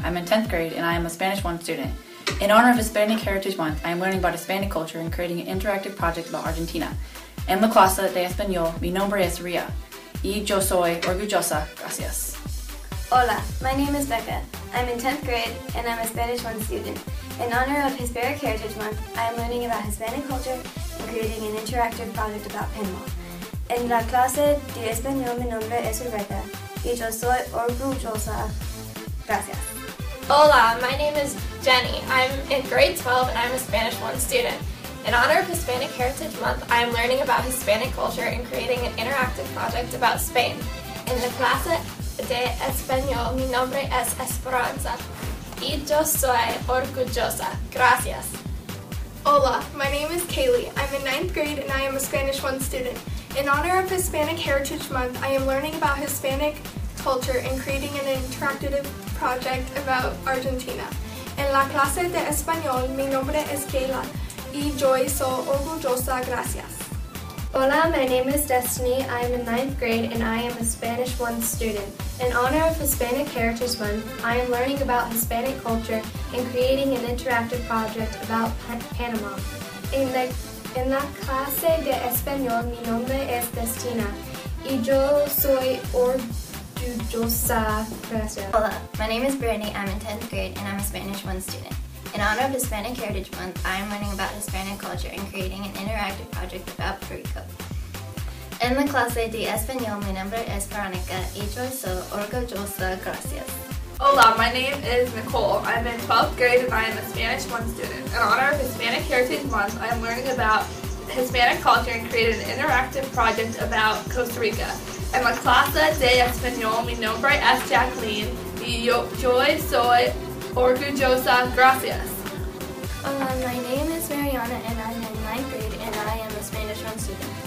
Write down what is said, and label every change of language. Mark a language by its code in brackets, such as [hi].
[en] I'm in 10th grade and I am a Spanish 1 student. In honor of Hispanic Heritage Month, I am learning about Hispanic culture and creating an interactive project about Argentina. [es] En la clase de español, mi nombre es Ria. Y yo soy orgullosa. Gracias. [en] Hola, my name is Becca. I'm in 10th grade and I'm a Spanish 1 student. In honor of Hispanic Heritage Month, I am learning about Hispanic culture and creating an interactive project about Panama. [es] En la clase de español, mi nombre es Rebecca. Y yo soy orgullosa. Gracias. [en] Hola, my name is Jenny. I'm in grade 12 and I'm a Spanish 1 student. In honor of Hispanic Heritage Month, I am learning about Hispanic culture and creating an interactive project about Spain. [es] In la clase de español, mi nombre es Esperanza. Y yo soy orgullosa. Gracias. [en] Hola, my name is Kaylee. I'm in 9th grade and I am a Spanish 1 student. In honor of Hispanic Heritage Month, I am learning about Hispanic culture and creating an interactive project about Argentina. [es] En la clase de español, mi nombre es Kayla y yo soy orgullosa. Gracias. [en] Hola, my name is Destiny. I am in 9th grade and I am a Spanish 1 student. In honor of Hispanic Heritage Month, I am learning about Hispanic culture and creating an interactive project about Panama. [es] En la clase de español, mi nombre es Destina, y yo soy orgullosa. Gracias. [en] Hola, my name is Brittany. I'm in 10th grade, and I'm a Spanish 1 student. In honor of Hispanic Heritage Month, I am learning about Hispanic culture and creating an interactive project about Puerto Rico. [es] En la clase de español, mi nombre es Veronica, y yo soy orgullosa. Gracias. [en] Hola, my name is Nicole. I'm in 12th grade and I am a Spanish 1 student. In honor of Hispanic Heritage Month, I am learning about Hispanic culture and created an interactive project about Costa Rica. [es] En la clase de español, mi nombre es Jacqueline, y yo soy orgullosa. Gracias. [en] Hola, my name is Mariana and I'm in 9th grade and I am a Spanish 1 student.